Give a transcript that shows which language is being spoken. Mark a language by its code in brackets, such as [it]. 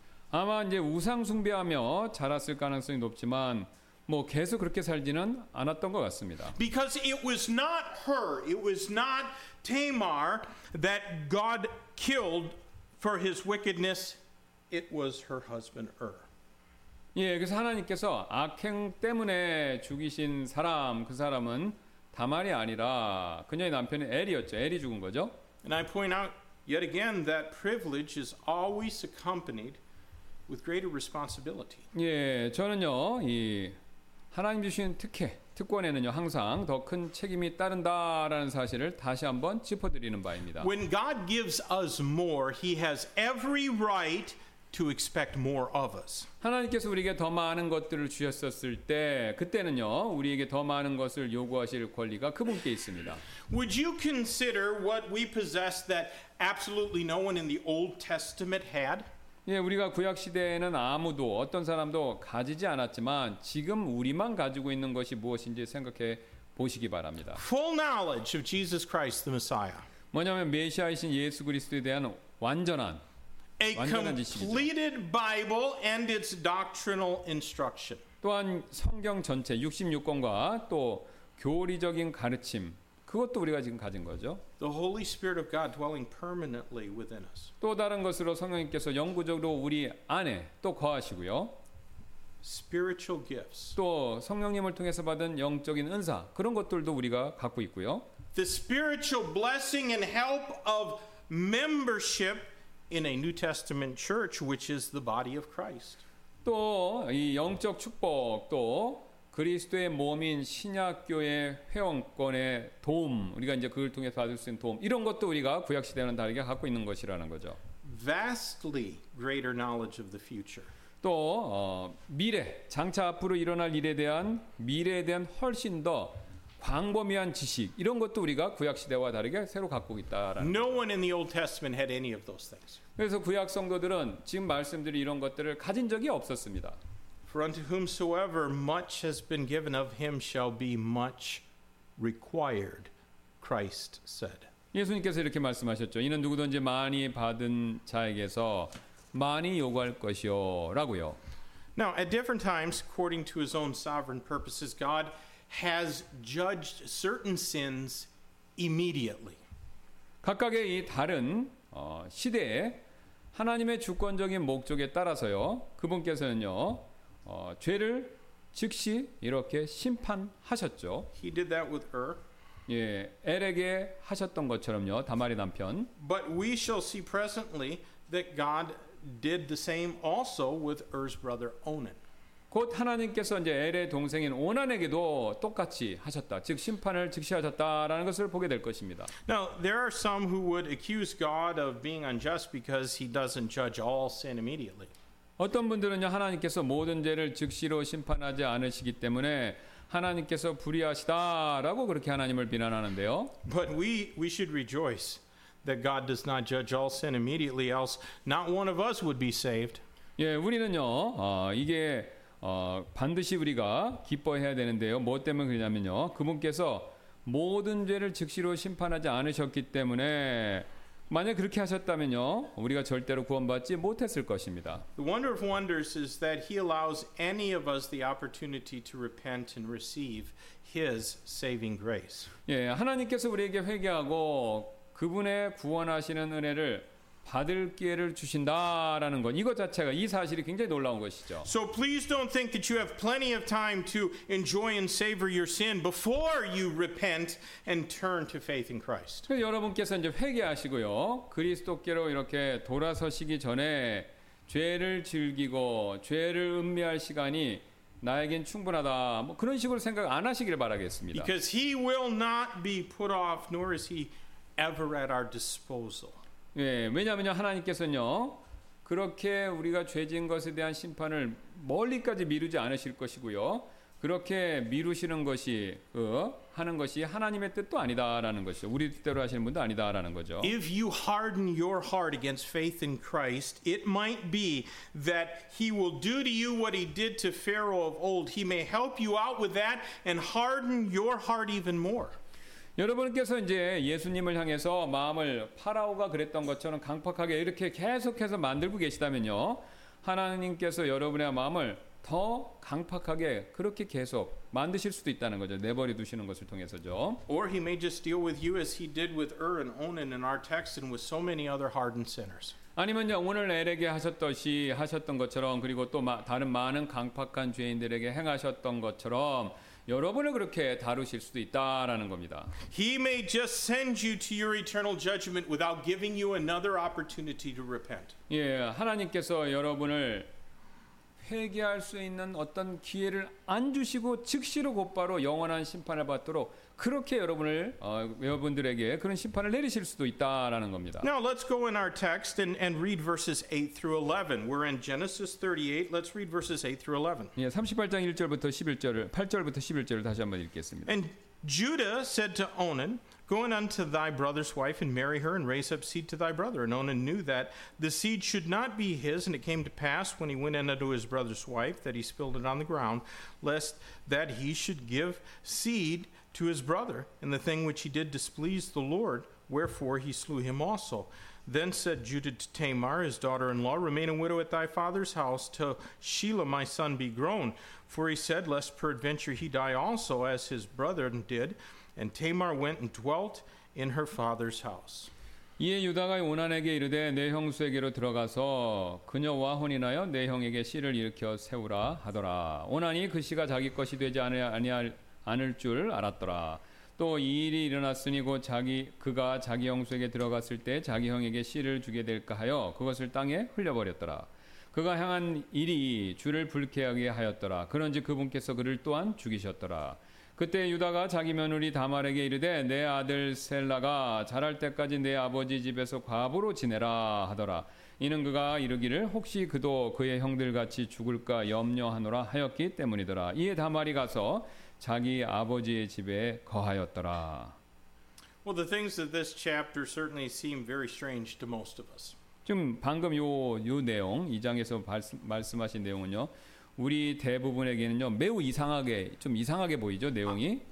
[ko] 아마 이제 우상 숭배하며 자랐을 가능성이 높지만 뭐 계속 그렇게 살지는 않았던 것 같습니다. [en] Because it was not her, it was not Tamar that God killed for his wickedness. It was her husband Ur. [ko] 예, 그래서 하나님께서 악행 때문에 죽이신 사람 그 사람은 다말이 아니라 그녀의 남편이 엘이었죠. 엘이 죽은 거죠. [en] And I point out yet again that privilege is always accompanied with greater responsibility. [ko] 예, 저는요. 이 하나님 주신 특혜, 특권에는요 항상 더 큰 책임이 따른다라는 사실을 다시 한번 짚어 드리는 바입니다. [en] When God gives us more, he has every right to expect more of us. [ko] 하나님께서 우리에게 더 많은 것들을 주셨었을 때 그때는요 우리에게 더 많은 것을 요구하실 권리가 그분께 있습니다. [en] Would you consider what we possess that absolutely no one in the Old Testament had? [ko] 예, 우리가 구약 시대에는 아무도 어떤 사람도 가지지 않았지만 지금 우리만 가지고 있는 것이 무엇인지 생각해 보시기 바랍니다. [en] Full knowledge of Jesus Christ the Messiah. [ko] 뭐냐면 메시아이신 예수 그리스도에 대한 완전한 [en] completed Bible and its doctrinal instruction. [ko] 또한 성경 전체 66권과 또 교리적인 가르침 그것도 우리가 지금 가진 거죠. [en] The Holy Spirit of God dwelling permanently within us. [ko] 또 다른 것으로 성령님께서 영구적으로 우리 안에 또 거하시고요. [en] Spiritual gifts. [ko] 또 성령님을 통해서 받은 영적인 은사 그런 것들도 우리가 갖고 있고요. [en] The spiritual blessing and help of membership in a New Testament church, which is the body of Christ. [ko] 또 이 영적 축복 또 그리스도의 몸인 신약교회 회원권의 도움 우리가 이제 그걸 통해서 받을 수 있는 도움 이런 것도 우리가 구약 시대와는 다르게 갖고 있는 것이라는 거죠. [en] Vastly greater knowledge of the future. [ko] 또 미래 장차 앞으로 일어날 일에 대한 미래에 대한 훨씬 더 광범위한 지식 이런 것도 우리가 구약 시대와 다르게 새로 갖고 있다라는. [en] No one in the Old Testament had any of those things. [ko] 그래서 구약 성도들은 지금 말씀드린 이런 것들을 가진 적이 없었습니다. [en] For unto whomsoever much has been given of him shall be much required, Christ said. [ko] 예수님께서 이렇게 말씀하셨죠. 이는 누구든지 많이 받은 자에게서 많이 요구할 것이요라고요. [en] Now, at different times, according to his own sovereign purposes, God has judged certain sins immediately. [ko] 각각의 이 다른 시대에 하나님의 주권적인 목적에 따라서요. 그분께서는요. 죄를 즉시 이렇게 심판하셨죠. [en] He did that with Ur. [ko] 예, 엘에게 하셨던 것처럼요. 다말의 남편. [en] But we shall see presently that God did the same also with Ur's brother Onan. [ko] 곧 하나님께서 이제 엘의 동생인 오난에게도 똑같이 하셨다. 즉 심판을 즉시 하셨다라는 것을 보게 될 것입니다. [en] Now there are some who would accuse God of being unjust because he doesn't judge all sin immediately. [ko] 어떤 분들은요 하나님께서 모든 죄를 즉시로 심판하지 않으시기 때문에 하나님께서 불의하시다라고 그렇게 하나님을 비난하는데요. [en] But we should rejoice that God does not judge all sin immediately, else not one of us would be saved. [ko] 예, 우리는요 이게 반드시 우리가 기뻐해야 되는데요. 뭐 때문에 그러냐면요 그분께서 모든 죄를 즉시로 심판하지 않으셨기 때문에. 만약 그렇게 하셨다면요, 우리가 절대로 구원받지 못했을 것입니다. [en] The wonder of wonders is that he allows any of us the opportunity to repent and receive his saving grace. [ko] 예, 하나님께서 우리에게 회개하고 그분의 구원하시는 은혜를 받을 기회를 주신다라는 것, 이것 자체가 이 사실이 굉장히 놀라운 것이죠. [en] So please don't think that you have plenty of time to enjoy and savor your sin before you repent and turn to faith in Christ. [ko] 여러분께서 이제 회개하시고요, 그리스도께로 이렇게 돌아서시기 전에 죄를 즐기고 죄를 음미할 시간이 나에겐 충분하다. 뭐 그런 식으로 생각 안 하시기를 바라겠습니다. [en] Because he will not be put off, nor is he ever at our disposal. [ko] 예, 왜냐하면요 하나님께서는요 그렇게 우리가 죄진 것에 대한 심판을 멀리까지 미루지 않으실 것이고요 그렇게 미루시는 것이 하는 것이 하나님의 뜻도 아니다라는 것이죠 우리 뜻대로 하시는 분도 아니다라는 거죠. [en] If you harden your heart against faith in Christ, it might be that He will do to you what He did to Pharaoh of old. He may help you out with that and harden your heart even more. [ko] 여러분께서 이제 예수님을 향해서 마음을 파라오가 그랬던 것처럼 강퍅하게 이렇게 계속해서 만들고 계시다면요. 하나님께서 여러분의 마음을 더 강퍅하게 그렇게 계속 만드실 수도 있다는 거죠. 내버려 두시는 것을 통해서죠. [en] Or he may just deal with you as he did with Ur and Onan in our text and with so many other hardened sinners. [ko] 아니면요 오늘 엘에게 하셨듯이 하셨던 것처럼 그리고 또 다른 많은 강퍅한 죄인들에게 행하셨던 것처럼 여러분을 그렇게 다루실 수도 있다라는 겁니다. [en] He may just send you to your eternal judgment without giving you another opportunity to repent. [ko] 예, 하나님께서 여러분을 회개할 수 있는 어떤 기회를 안 주시고 즉시로 곧바로 영원한 심판을 받도록 그렇게 여러분을 여러분들에게 그런 심판을 내리실 수도 있다라는 겁니다. [en] Now let's go in our text and read verses 8 through 11. We're in Genesis 38. Let's read verses 8 through 11. [ko] 예, 38장 1절부터 11절을 8절부터 11절을 다시 한번 읽겠습니다. [en] And Judah said to Onan, Go in unto thy brother's wife and marry her and raise up seed to thy brother. And Onan knew that the seed should not be his. And it came to pass when he went in unto his brother's wife that he spilled it on the ground, lest that he should give seed to his brother. And the thing which he did displeased the Lord, wherefore he slew him also. Then said Judah to Tamar, his daughter-in-law, Remain a widow at thy father's house till Shelah my son be grown. For he said, lest peradventure he die also as his brother did. And Tamar went and dwelt in her father's house. [ko] 이에 유다가 오난에게 이르되 내 형수에게로 들어가서 그녀와 혼인하여 내 형에게 씨를 일으켜 세우라 하더라. 오난이 그 씨가 자기 것이 되지 않을 줄 알았더라. 또 이 일이 일어났으니 곧 그가 자기 형수에게 들어갔을 때 자기 형에게 씨를 주게 될까 하여 그것을 땅에 흘려버렸더라. 그가 향한 일이 주를 불쾌하게 하였더라. 그런지 그분께서 그를 또한 죽이셨더라. 그때 유다가 자기 며느리 다말에게 이르되 내 아들 셀라가 자랄 때까지 내 아버지 집에서 과부로 지내라 하더라. 이는 그가 이르기를 혹시 그도 그의 형들 같이 죽을까 염려하노라 하였기 때문이더라. 이에 다말이 가서 자기 아버지의 집에 거하였더라. [en] Well, the things of this chapter certainly seem very strange to most of us. [ko] 지금 방금 요 내용 이 장에서 말씀하신 내용은요. 우리 대부분에게는요 매우 이상하게 좀 이상하게 보이죠 내용이.